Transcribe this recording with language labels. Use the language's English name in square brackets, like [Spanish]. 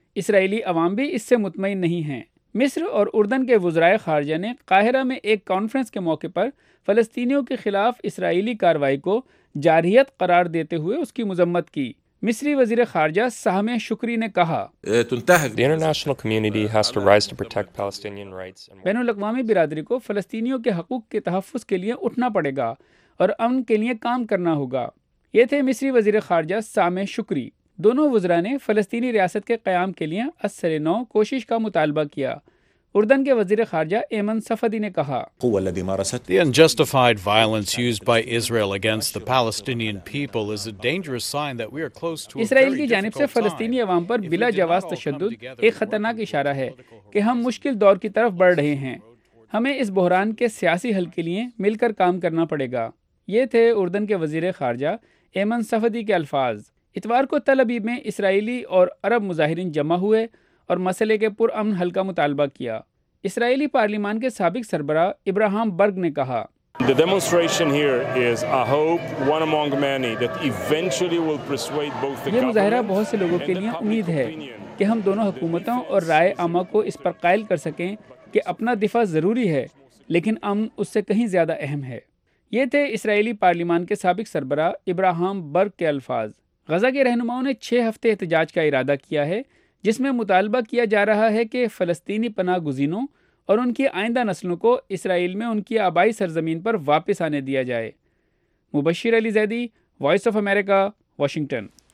[Urdu] اسرائیلی عوام بھی اس سے مطمئن نہیں ہیں۔ مصر اور اردن کے وزرائے خارجہ نے قاہرہ میں ایک کانفرنس کے موقع پر فلسطینیوں کے خلاف اسرائیلی کارروائی کو جارحیت قرار دیتے ہوئے اس کی مذمت کی۔ مصری وزیر خارجہ سامح شکری نے کہا، بین الاقوامی برادری کو فلسطینیوں کے حقوق کے تحفظ کے لیے اٹھنا پڑے گا اور امن کے لیے کام کرنا ہوگا۔ یہ تھے مصری وزیر خارجہ سامح شکری۔ دونوں وزراء نے فلسطینی ریاست کے قیام کے لیے اثر نو کوشش کا مطالبہ کیا۔ اردن کے وزیر خارجہ ایمن صفدی نے کہا [English] The unjustified violence used by Israel against the Palestinian people is a dangerous sign that we are close to [Urdu] اسرائیل کی جانب سے فلسطینی عوام پر بلا جواز تشدد ایک خطرناک اشارہ ہے کہ ہم مشکل دور کی طرف بڑھ رہے ہیں۔ ہمیں اس بحران کے سیاسی حل کے لیے مل کر کام کرنا پڑے گا۔ یہ تھے اردن کے وزیر خارجہ ایمن صفدی کے الفاظ۔ اتوار کو تل ابیب میں اسرائیلی اور عرب مظاہرین جمع ہوئے اور مسئلے کے پرامن حل کا مطالبہ کیا۔ اسرائیلی پارلیمان کے سابق سربراہ ابراہم برگ نے کہا [English] The demonstration here is a hope, one among many, that eventually will persuade both the government [Urdu] یہ مظاہرہ بہت سے لوگوں کے لیے امید ہے کہ ہم دونوں حکومتوں اور رائے عامہ کو اس پر قائل کر سکیں کہ اپنا دفاع ضروری ہے لیکن امن اس سے کہیں زیادہ اہم ہے۔ یہ تھے اسرائیلی پارلیمان کے سابق سربراہ ابراہم برگ کے الفاظ۔ غزہ کے رہنماؤں نے 6 ہفتے احتجاج کا ارادہ کیا ہے جس میں مطالبہ کیا جا رہا ہے کہ فلسطینی پناہ گزینوں اور ان کی آئندہ نسلوں کو اسرائیل میں ان کی آبائی سرزمین پر واپس آنے دیا جائے۔ مبشر علی Zaidi, voice of America, Washington.